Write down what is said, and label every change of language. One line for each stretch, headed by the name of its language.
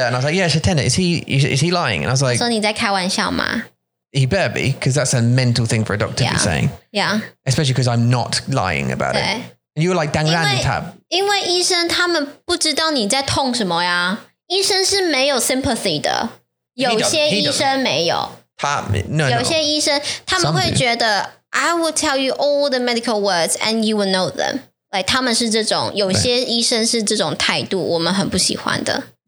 English: And I was like, yeah, it's a tender. Is he lying? And I was like, 说你在开玩笑吗? He better be, because that's a mental thing for a doctor to be saying. Yeah. Especially because I'm not lying about it. And you were like,
Chinese: 因为医生他们不知道你在痛什么呀。医生是没有sympathy的。有些医生没有。有些医生他们会觉得
English: I will tell you all the medical words and you will know them. Like
Chinese: 他们是这种有些医生是这种态度我们很不喜欢的。